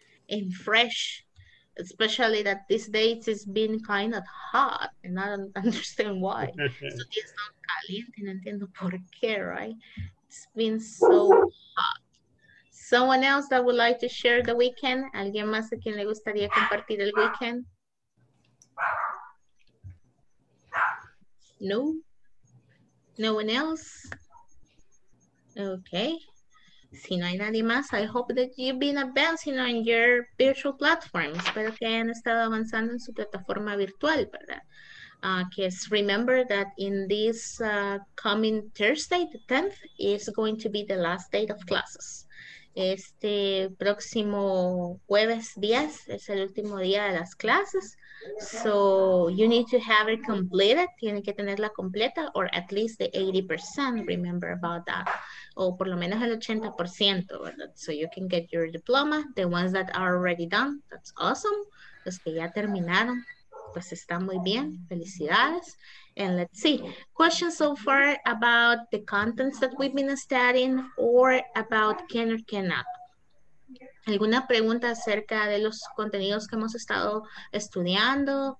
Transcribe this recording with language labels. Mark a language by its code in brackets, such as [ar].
[en] And fresh, especially that these days it's been kind of hot and I don't understand why. So it's not [es] caliente, no entiendo por qué, right? [en] It's been so hot. Someone else that would like to share the weekend? [es] ¿Alguien más a quien le gustaría compartir el weekend? [en] No? No one else? Okay. [es] Si no hay nadie más, [en] I hope that you've been advancing on your virtual platform. [es] Espero que hayan estado avanzando en su plataforma virtual, ¿verdad? [en] Just remember that in this coming Thursday, the 10th, is going to be the last day of classes. [es] Este próximo jueves 10 es el último día de las clases. [en] So you need to have it completed. [es] Tiene que tenerla completa [en] or at least the 80%. Remember about that. [es] O por lo menos el 80%, ¿verdad? [en] So you can get your diploma. The ones that are already done, that's awesome. [es] Los que ya terminaron, pues está muy bien. Felicidades. [en] And let's see, questions so far about the contents that we've been studying or about can or cannot. [es] ¿Alguna pregunta acerca de los contenidos que hemos estado estudiando?